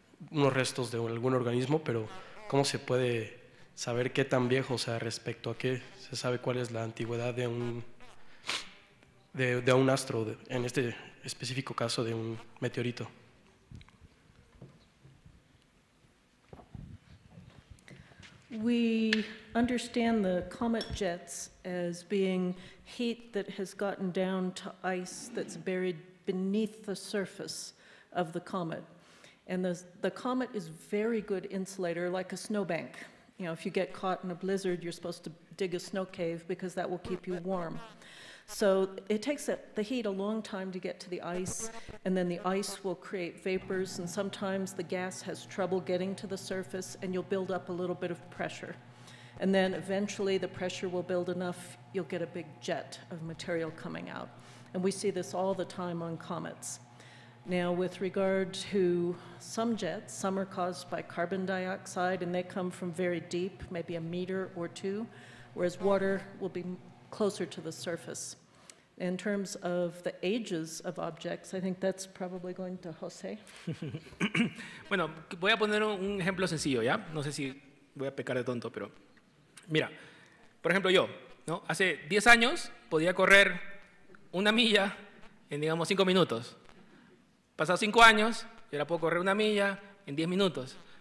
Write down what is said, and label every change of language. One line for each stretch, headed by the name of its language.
Spanish: unos restos de algún organismo, pero ¿cómo se puede saber qué tan viejo, o sea, respecto a qué se sabe cuál es la antigüedad de un astro, en este específico caso de un meteorito?
English: We understand the comet jets as being heat that has gotten down to ice that's buried beneath the surface of the comet. And the comet is very good insulator, like a snowbank. You know, if you get caught in a blizzard, you're supposed to dig a snow cave because that will keep you warm. So it takes the heat a long time to get to the ice, and then the ice will create vapors, and sometimes the gas has trouble getting to the surface, and you'll build up a little bit of pressure. And then eventually the pressure will build enough, you'll get a big jet of material coming out. And we see this all the time on comets. Now, with regard to some jets, some are caused by carbon dioxide, and they come from very deep, maybe a meter or two, whereas water will be closer to the surface. In terms of the ages of objects, I think that's probably going to Jose.
Spanish: Bueno, voy a poner un ejemplo sencillo, ¿ya? No sé si voy a pecar de tonto, pero mira, por ejemplo yo, ¿no? Hace 10 años podía correr una milla en, digamos, 5 minutos. Pasados 5 años, yo ahora puedo correr una milla en 10 minutos.